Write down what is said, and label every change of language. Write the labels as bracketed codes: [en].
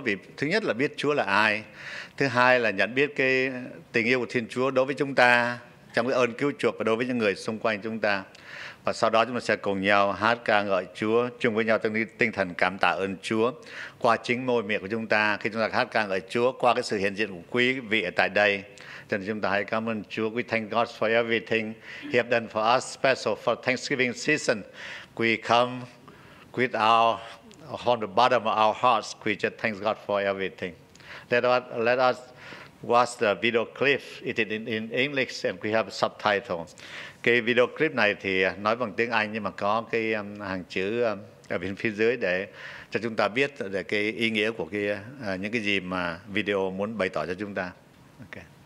[vi] Vì thứ nhất là biết Chúa là ai, thứ hai là nhận biết cái tình yêu của Thiên Chúa đối với chúng ta trong cái ơn cứu chuộc và đối với những người xung quanh chúng ta. Và sau đó chúng ta sẽ cùng nhau hát ca ngợi Chúa, chung với nhau trong tinh thần cảm tạ ơn Chúa qua chính môi miệng của chúng ta. Khi chúng ta hát ca ngợi Chúa qua cái sự hiện diện của quý vị ở tại đây, thì chúng ta hãy cảm ơn Chúa. [en] We thank God for everything He has done for us, special for Thanksgiving season. We come with our, on the bottom of our hearts, we just thank God for everything. Let us watch the video clip. It is in English and we have subtitles. [vi] Cái video clip này thì nói bằng tiếng Anh, nhưng mà có cái hàng chữ ở bên phía dưới để cho chúng ta biết để cái ý nghĩa của cái những cái gì mà video muốn bày tỏ cho chúng ta. Okay.